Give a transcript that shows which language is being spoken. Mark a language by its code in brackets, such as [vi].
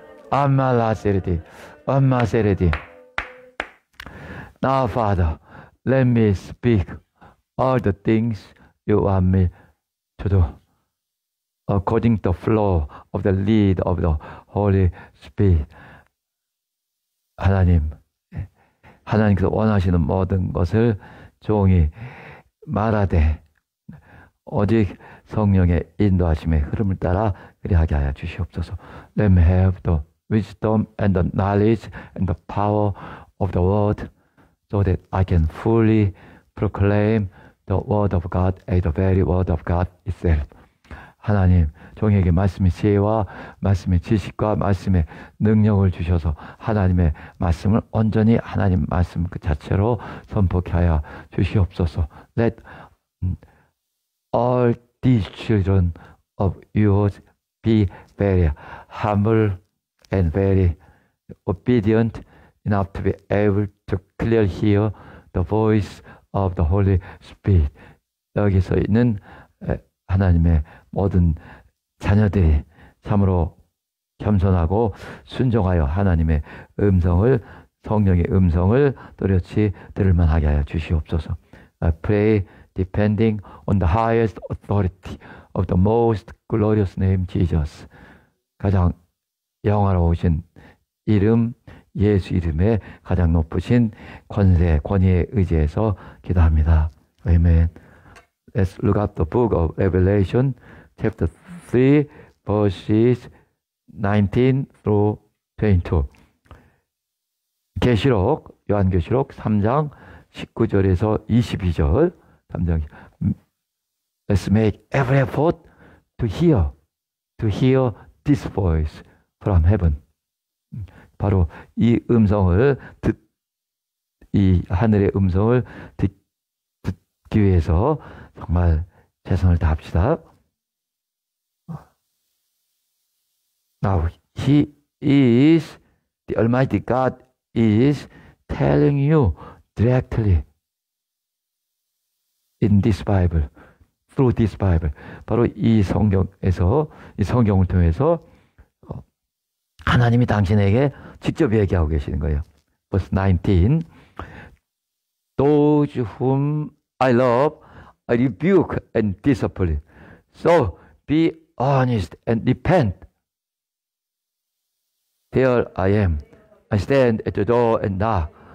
[en] 아마세르디 Now, Father, let me speak all the things you want me to do according to the flow of the lead of the Holy Spirit. [ko] 하나님, 하나님께서 원하시는 모든 것을 종이 말하되 오직 성령의 인도하심의 흐름을 따라 그리하게 하여 주시옵소서. [en] Let me have the wisdom and the knowledge and the power of the word so that I can fully proclaim the word of God as the very word of God itself. [ko] 하나님, 종에게 말씀의 지혜와 말씀의 지식과 말씀의 능력을 주셔서 하나님의 말씀을 온전히 하나님 말씀 그 자체로 선포케 하여 주시옵소서. [en] Let all these children of yours be very humble and very obedient enough to be able to clearly hear the voice of the Holy Spirit. [ko] 여기서 있는 하나님의 모든 자녀들이 참으로 겸손하고 순종하여 하나님의 음성을 성령의 음성을 또렷이 들을만 하게 하여 주시옵소서. [en] I pray depending on the highest authority of the most glorious name Jesus. [ko] 가장 영화로우신 이름 예수 이름에 가장 높으신 권세 권위에 의지해서 기도합니다. [en] Amen. Let's look up the book of Revelation chapter 3 verses 19 through 22. [ko] 계시록 요한계시록 3장 19절에서 22절 3장 [en] Let's make every effort to hear this voice from heaven. [ko] 바로 이 음성을 이 하늘의 음성을 듣기 위해서 정말 최선을 다합시다. [en] Now he is the Almighty God is telling you directly in this Bible, through this Bible. [ko] 바로 이 성경에서 이 성경을 통해서 하나님이 당신에게 직접 얘기하고 계시는 거예요. [en] Verse 19 Those whom I love, I rebuke and discipline. So be honest and repent. Here I am. I stand at the door and knock.